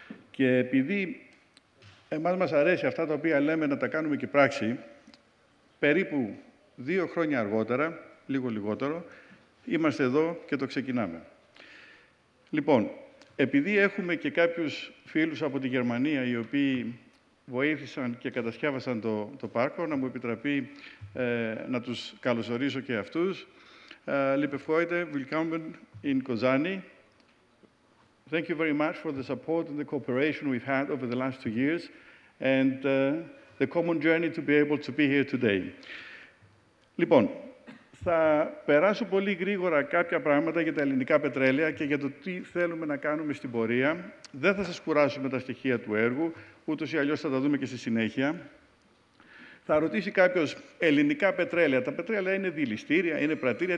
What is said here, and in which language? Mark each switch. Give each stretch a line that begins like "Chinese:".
Greek: Και επειδή εμάς μας αρέσει αυτά τα οποία λέμε να τα κάνουμε και πράξη, περίπου 2 χρόνια αργότερα, λίγο λιγότερο, είμαστε εδώ και το ξεκινάμε. Λοιπόν, επειδή έχουμε και κάποιους φίλους από τη Γερμανία, οι οποίοι βοήθησαν και κατασκεύασαν το πάρκο, να μου επιτραπεί να τους καλωσορίσω και αυτούς.
German: Liebe Freunde, willkommen in Kozani.
English: Thank you very much for the support and the cooperation we've had over the last 2 years and the common journey to be able to be here today.
Greek: Λοιπόν, θα περάσω πολύ γρήγορα κάποια πράγματα για τα ελληνικά πετρέλαια και για το τι θέλουμε να κάνουμε στην πορεία. Δεν θα σας κουράσουμε τα στοιχεία του έργου, ούτως ή αλλιώς θα τα δούμε και στη συνέχεια. Θα ρωτήσει κάποιος ελληνικά πετρέλαια. Τα πετρέλαια είναι διελιστήρια, είναι πρατήρια.